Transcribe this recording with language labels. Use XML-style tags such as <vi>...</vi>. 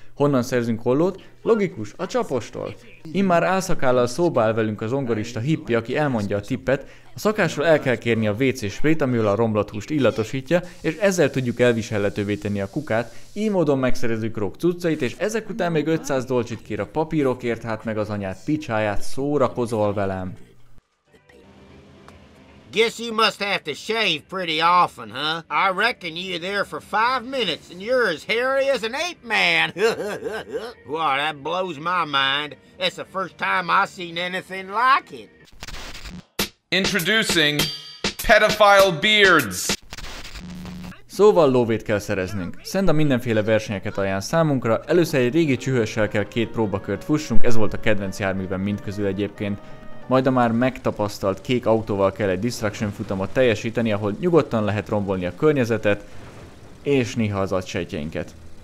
<hu>Honnan szerzünk ollót? Logikus, a csapostól. Immár álszakállal szóba áll velünk a zongorista hippi, aki elmondja a tippet, a szakásról el kell kérni a WC-sprét, amivel a romlott húst illatosítja, és ezzel tudjuk elviselhetővé tenni a kukát, így módon megszerezzük Rogue cuccait, és ezek után még 500 dolcsit kér a papírokért, hát meg az anyád picsáját, szórakozol velem.</hu> <en>Guess you must have to shave pretty often, huh? I reckon you there for 5 minutes and you're as hairy as an ape man. Well, that blows my mind. It's the first time I've seen anything like it. Introducing pedophile beards.</en> <hu>Szóval lóvét kell szereznünk. Senda mindenféle versenyeket ajánl számunkra, először egy régi csühössel kell két próbakört fussunk, ez volt a kedvenc járművem mindközül egyébként. Majd a már megtapasztalt kék autóval kell egy distraction futamot teljesíteni, ahol nyugodtan lehet rombolni a környezetet, és néha az agysejtjeinket.</hu>